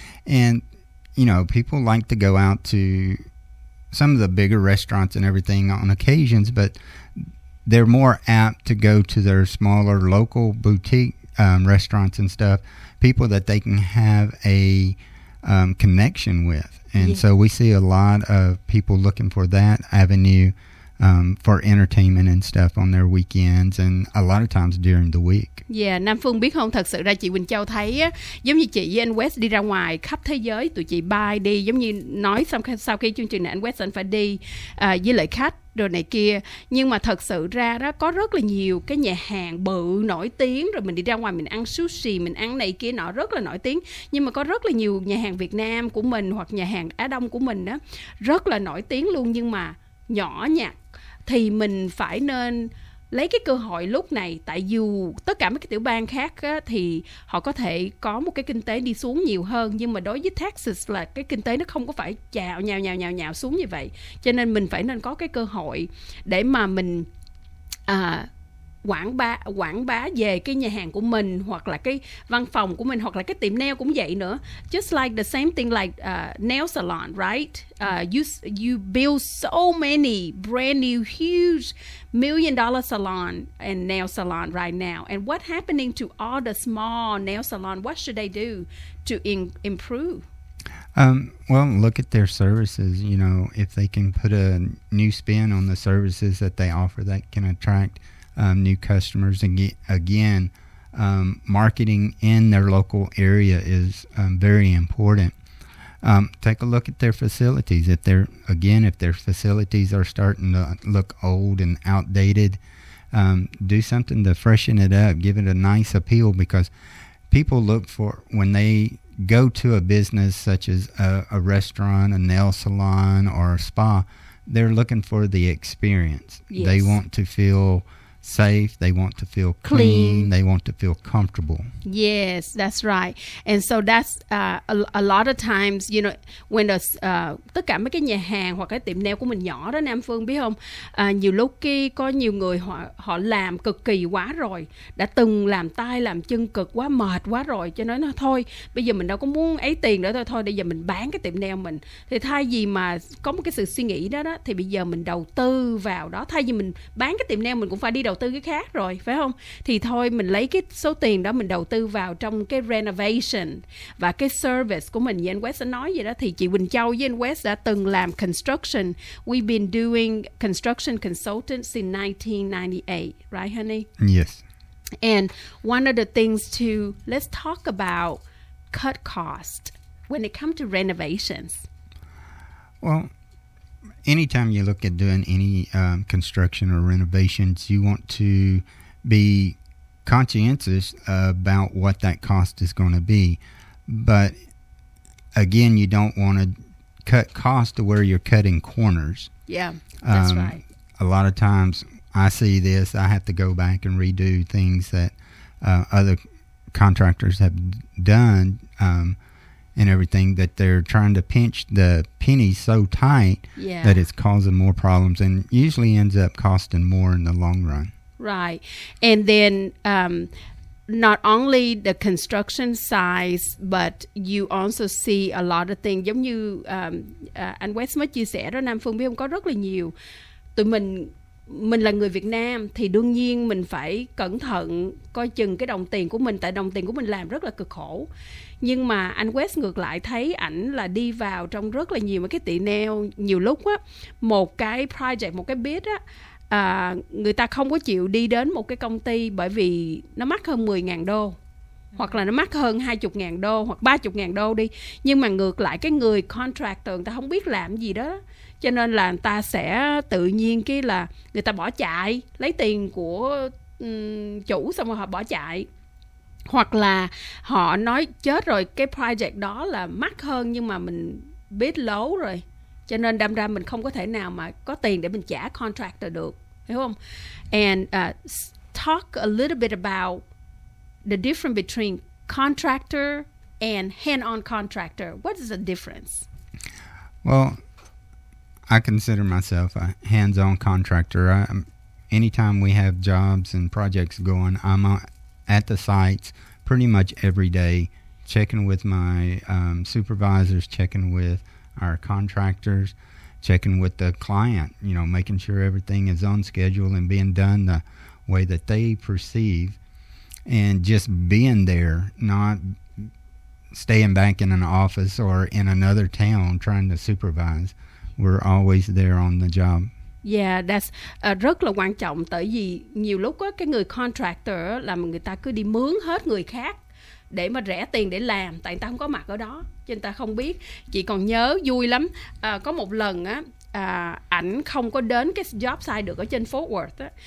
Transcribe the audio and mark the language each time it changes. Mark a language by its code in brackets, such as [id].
[en] And, you know, people like to go out to some of the bigger restaurants and everything on occasions, but they're more apt to go to their smaller local boutique restaurants and stuff, people that they can have a connection with. And yeah. So we see a lot of people looking for that avenue for entertainment and stuff on their weekends and a lot of times during the week. [vi] Yeah, Nam Phương biết không, thật sự ra chị Quỳnh Châu thấy á, giống như chị với anh West đi ra ngoài khắp thế giới, tụi chị bay đi, giống như nói xong sau khi chương trình này anh West anh phải đi với lại khách đồ này kia. Nhưng mà thật sự ra đó, có rất là nhiều cái nhà hàng bự nổi tiếng, rồi mình đi ra ngoài mình ăn sushi, mình ăn này kia nọ rất là nổi tiếng. Nhưng mà có rất là nhiều nhà hàng Việt Nam của mình hoặc nhà hàng Á Đông của mình đó, rất là nổi tiếng luôn nhưng mà nhỏ nhặt. Thì mình phải nên lấy cái cơ hội lúc này, tại dù tất cả mấy cái tiểu bang khác á, thì họ có thể có một cái kinh tế đi xuống nhiều hơn, nhưng mà đối với Texas là cái kinh tế nó không có phải nhào xuống như vậy, cho nên mình phải nên có cái cơ hội để mà mình quảng bá về cái nhà hàng của mình hoặc là cái văn phòng của mình hoặc là cái tiệm nail cũng vậy nữa. [en] Just like the same thing like nail salon, right? You build so many brand new huge $1 million salon and nail salon right now. And what happening to all the small nail salon? What should they do to improve? Well, look at their services. You know, if they can put a new spin on the services that they offer, that can attract new customers. And again, marketing in their local area is very important. Take a look at their facilities. If their facilities are starting to look old and outdated, do something to freshen it up. Give it a nice appeal, because people look for, when they go to a business such as a restaurant, a nail salon, or a spa, they're looking for the experience. Yes. They want to feel safe, they want to feel clean, they want to feel comfortable. Yes, that's right. [vi] And so that's a lot of times, you know, when the tất cả mấy cái nhà hàng hoặc cái tiệm nail của mình nhỏ đó, Nam Phương biết không, nhiều lúc khi có nhiều người họ làm cực kỳ quá rồi, đã từng làm tay làm chân cực quá, mệt quá rồi, cho nên thôi bây giờ mình đâu có muốn ấy tiền nữa, thôi bây giờ mình bán cái tiệm nail mình. Thì thay vì mà có một cái sự suy nghĩ đó thì bây giờ mình đầu tư vào đó, thay vì mình bán cái tiệm nail mình cũng phải đi đầu tư cái khác rồi, phải không? Thì thôi mình lấy cái số tiền đó mình đầu tư vào trong cái renovation và cái service của mình. Như anh West đã nói vậy đó, thì chị Quỳnh Châu với anh West đã từng làm construction. [en] We've been doing construction consultants since 1998, right honey? Yes. And one of the things to, let's talk about cut cost when it comes to renovations. Well, anytime you look at doing any construction or renovations, you want to be conscientious about what that cost is going to be. But again, you don't want to cut cost to where you're cutting corners. Yeah, that's right. A lot of times I see this, I have to go back and redo things that other contractors have done and everything, that they're trying to pinch the pennies so tight that it's causing more problems and usually ends up costing more in the long run. Right. And then not only the construction size, but you also see a lot of things. [vi] Giống như anh West mới chia sẻ đó, Nam Phương biết không, có rất là nhiều. Tụi mình là người Việt Nam thì đương nhiên mình phải cẩn thận coi chừng cái đồng tiền của mình, tại đồng tiền của mình làm rất là cực khổ. Nhưng mà anh West ngược lại thấy ảnh là đi vào trong rất là nhiều cái tỉ neo. Nhiều lúc á, một cái project, một cái bid á, người ta không có chịu đi đến một cái công ty bởi vì nó mắc hơn 10.000 đô hoặc là nó mắc hơn 20.000 đô hoặc 30.000 đô đi. Nhưng mà ngược lại cái người contractor, người ta không biết làm gì đó, cho nên là người ta sẽ tự nhiên cái là người ta bỏ chạy, lấy tiền của chủ xong rồi họ bỏ chạy. Hoặc là họ nói chết rồi, cái project đó là mắc hơn nhưng mà mình biết lỗ rồi, cho nên đâm ra mình không có thể nào mà có tiền để mình trả contractor được, hiểu không? [en] And talk a little bit about the difference between contractor and hand-on contractor. What is the difference? Well, I consider myself a hands-on contractor. Anytime we have jobs and projects going, I'm at the sites pretty much every day, checking with my supervisors, checking with our contractors, checking with the client, you know, making sure everything is on schedule and being done the way that they perceive, and just being there, not staying back in an office or in another town trying to supervise. We're always there on the job. [vi] Yeah, that's rất là quan trọng, tại vì nhiều lúc á, cái người contractor là người ta cứ đi mướn hết người khác để mà rẻ tiền để làm, tại người ta không có mặt ở đó, chứ người ta không biết. Chị còn nhớ vui lắm, có một lần á, ảnh không có đến cái job site được ở trên Fort Worth á.